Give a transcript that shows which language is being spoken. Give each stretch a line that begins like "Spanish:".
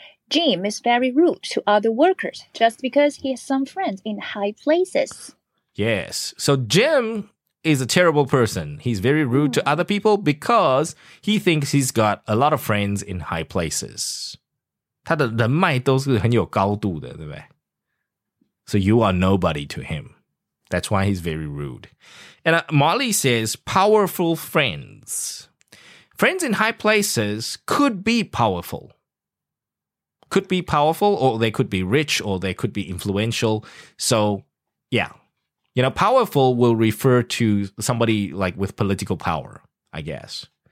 English: Jim is very rude to other workers just because he has some friends in high places. Yes. So Jim is a terrible person. He's very rude to other people because he thinks he's got a lot of friends in high places.
Chinese: 他的人脉都是很有高度的，对不对?
English: So you are nobody to him. That's why he's very rude. And Molly says, powerful friends. Friends in high places could be powerful. Could be powerful, or they could be rich, or they could be influential. So, yeah. You know, powerful will refer to somebody like with political power, I guess.